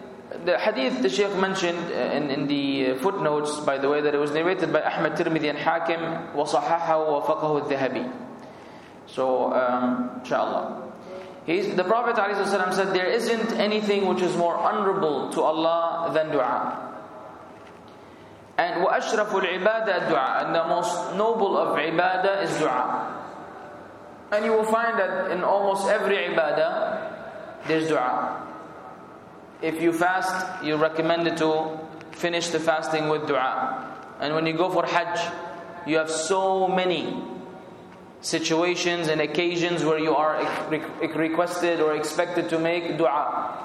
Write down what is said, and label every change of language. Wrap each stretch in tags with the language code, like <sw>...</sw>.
<en>The hadith the Shaykh mentioned in the footnotes, by the way, that it was narrated by Ahmad Tirmidhi and Hakim,</en> <ar>وَصَحَحَهُ وَفَقَهُ الذَّهَبِي.</ar> <en>So, inshallah. The Prophet ﷺ said, there isn't anything which is more honorable to Allah than dua.</en> <ar>And وَأَشْرَفُ الْعِبَادَةِ الدُّعَى.</ar> <en>And the most noble of ibadah is dua. And you will find that in almost every ibadah, there's dua. If you fast, you recommend to finish the fasting with dua. And when you go for hajj, you have so many situations and occasions where you are requested or expected to make dua.</en>